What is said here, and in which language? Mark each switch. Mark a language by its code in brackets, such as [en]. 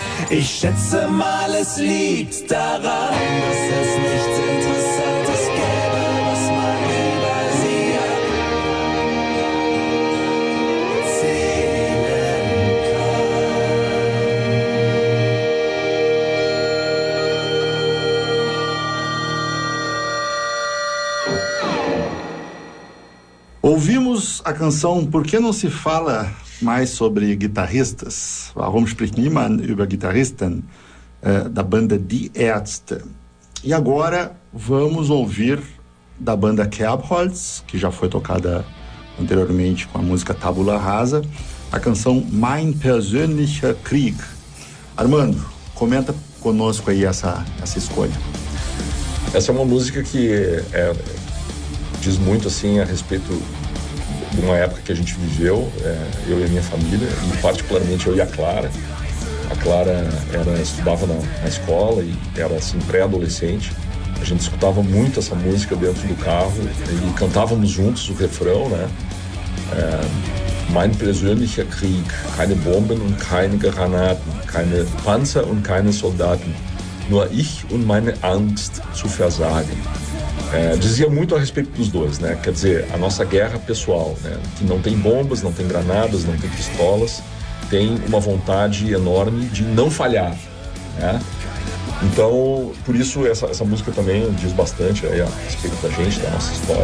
[de] Ich schätze mal, es liegt daran, dass es nichts Interessantes gäbe, was man über sie erzählen kann. [pt] Ouvimos a canção Por que não se fala mais sobre guitarristas? [de] Warum spricht niemand über Gitarristen? [pt] Da banda Die Ärzte. E agora vamos ouvir da banda Kerbholz, que já foi tocada anteriormente com a música Tabula Rasa, a canção Mein persönlicher Krieg. Armando, comenta conosco aí essa escolha. Essa é uma música que diz muito assim a respeito de uma época que a gente viveu, eu e a minha família, e particularmente eu e a Clara. A Clara estudava na escola e era assim, pré-adolescente. A gente escutava muito essa música dentro do carro e cantávamos juntos o refrão, né? [de] Mein persönlicher Krieg, keine Bomben und keine Granaten, keine Panzer und keine Soldaten, nur ich und meine Angst zu versagen. [pt] Dizia muito a respeito dos dois, né? Quer dizer, a nossa guerra pessoal, né? Que não tem bombas, não tem granadas, não tem pistolas, tem uma vontade enorme de não falhar, né? Então, por isso, essa música também diz bastante aí a respeito da gente, da nossa história.